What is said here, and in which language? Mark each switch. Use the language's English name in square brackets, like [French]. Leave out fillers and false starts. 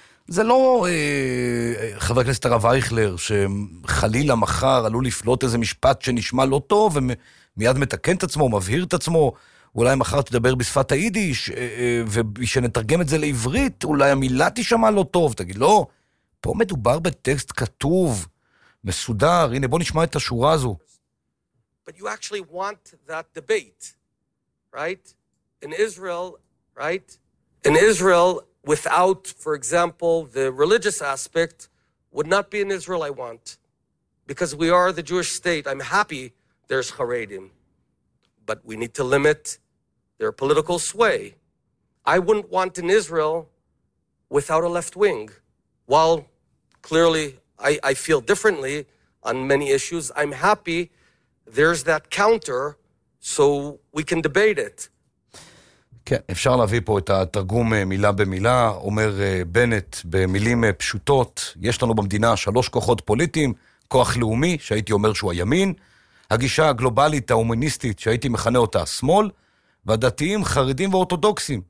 [Hebrew] זה לא חבר הכנסת הרב אייכלר, שחלילה מחר עלול לפלוט איזה משפט שנשמע לא טוב, ומיד מתקן את עצמו, מבהיר את עצמו, אולי מחר תדבר בשפת היידיש, ושנתרגם את זה לעברית, אולי המילה תשמע לא טוב. תגיד, לא, פה מדובר בטקסט כתוב, מסודר, הנה בוא נשמע את השורה הזו. [English] But you actually want that debate, right? In Israel, right? In Israel, without, for example, the religious aspect, would not be an Israel I want. Because we are the Jewish state, I'm happy there's Haredim. But we need to limit their political sway. I wouldn't want an Israel without a left wing. While clearly I feel differently on many issues. I'm happy there's that counter so we can debate it. [Hebrew] כן, אפשר להביא פה את התרגום מילה במילה, אומר בנט במילים פשוטות, יש לנו במדינה שלוש כוחות פוליטיים, כוח לאומי, שהייתי אומר שהוא הימין, הגישה הגלובלית, ההומניסטית, שהייתי מכנה אותה שמאל, והדתיים, חרדים ואורתודוקסים.